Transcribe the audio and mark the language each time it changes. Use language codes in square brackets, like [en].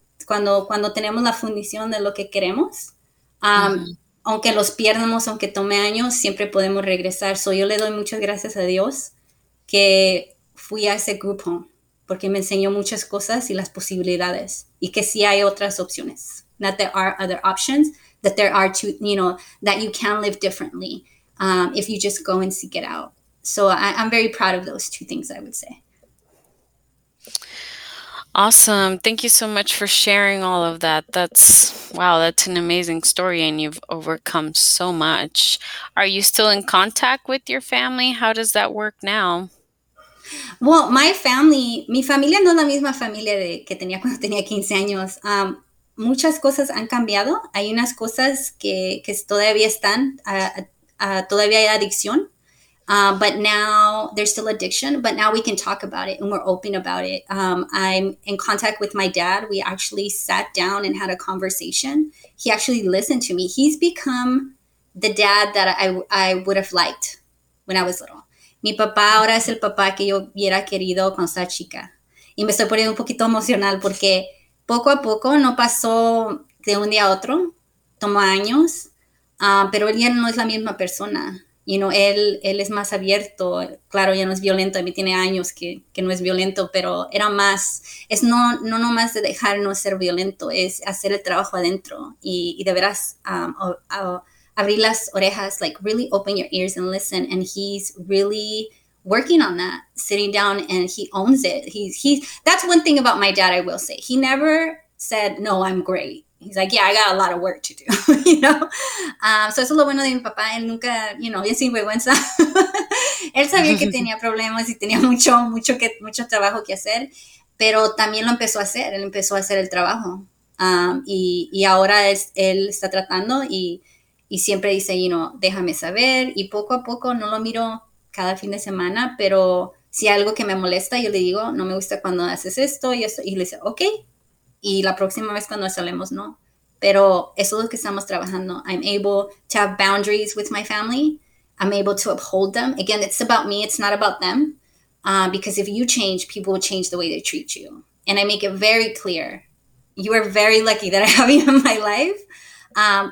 [es] Cuando tenemos la fundición de lo que queremos, aunque los pierdamos, aunque tome años, siempre podemos regresar. So yo le doy muchas gracias a Dios que fui a ese group home, porque me enseñó muchas cosas y las posibilidades, y que sí hay otras opciones. [en] That there are other options, that there are two, you know, that you can live differently if you just go and seek it out. So I'm very proud of those two things, I would say. Awesome. Thank you so much for sharing all of that. That's, wow, that's an amazing story, and you've overcome so much. Are you still in contact with your family? How does that work now? Well, my family, [es] mi familia no es la misma familia de que tenía cuando tenía 15 años. Muchas cosas han cambiado. Hay unas cosas que todavía están, todavía hay adicción. [en] But now there's still addiction, but now we can talk about it and we're open about it. I'm in contact with my dad. We actually sat down and had a conversation. He actually listened to me. He's become the dad that I would have liked when I was little. [es] Mi papá ahora es el papá que yo hubiera querido cuando estaba chica. Y me estoy poniendo un poquito emocional porque poco a poco no pasó de un día a otro. Tomó años, pero él ya no es la misma persona. You know, él es más abierto. Claro, ya no es violento. A mí tiene años que no es violento, pero era más. Es no nomás de dejar no ser violento, es hacer el trabajo adentro y de veras abrir las orejas, [en] like really open your ears and listen. And he's really working on that, sitting down, and he owns it. He's that's one thing about my dad, I will say. He never said, no, I'm great. He's like, yeah, I got a lot of work to do, you know? [es] So eso es lo bueno de mi papá. Él nunca, you know, bien sinvergüenza. Él sabía que tenía problemas y tenía mucho trabajo que hacer, pero también lo empezó a hacer. Él empezó a hacer el trabajo. Y ahora él está tratando y siempre dice, you know, déjame saber. Y poco a poco, no lo miro cada fin de semana, pero si hay algo que me molesta, yo le digo, no me gusta cuando haces esto y esto. Y le dice, okay. Y la próxima vez cuando salemos, no. Pero eso es lo que estamos trabajando. [en] I'm able to have boundaries with my family. I'm able to uphold them. Again, it's about me. It's not about them. Because if you change, people will change the way they treat you. And I make it very clear. You are very lucky that I have you in my life.